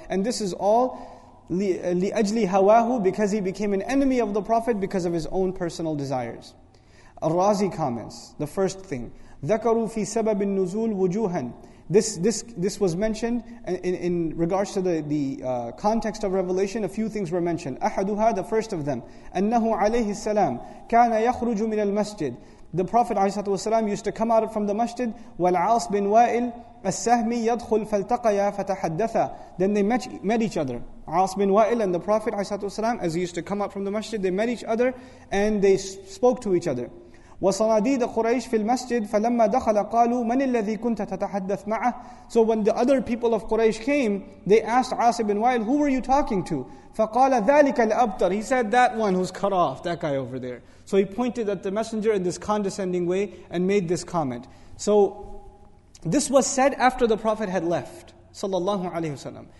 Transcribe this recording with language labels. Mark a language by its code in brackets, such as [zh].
[en] And this is all [ar] لِأَجْلِ هَوَاهُ, [en] because he became an enemy of the Prophet because of his own personal desires. Al-Razi comments, the first thing, [ar] ذَكَرُوا فِي سَبَبِ النُّزُولِ وُجُوهًا. [en] This was mentioned in regards to the context of revelation. A few things were mentioned. [ar] أَحَدُهَا, [en] the first of them, [ar] أَنَّهُ عَلَيْهِ السَّلَامُ كَانَ يَخْرُجُ مِنَ الْمَسْجِدِ. [en] The Prophet ﷺ used to come out from the masjid. [ar] وَالْعَاصْ بِنْ وَائِلْ السَّهْمِ يَدْخُلْ فَالْتَقَيَا فَتَحَدَّثَا. [en] Then they met each other. عَاصْ بِنْ وَائِلْ and the Prophet ﷺ, as he used to come out from the masjid, they met each other and they spoke to each other. [ar] وصناديد قريش في المسجد فلما دخل قالوا من الذي كنت تتحدث معه. [en] So when the other people of Quraysh came, they asked Asa ibn Wail, who were you talking to? [ar] فقال ذلك الأبتر. [en] He said, that one who's cut off, that guy over there. So he pointed at the messenger in this condescending way and made this comment. So this was said after the Prophet had left, sallallahu alaihi wasallam.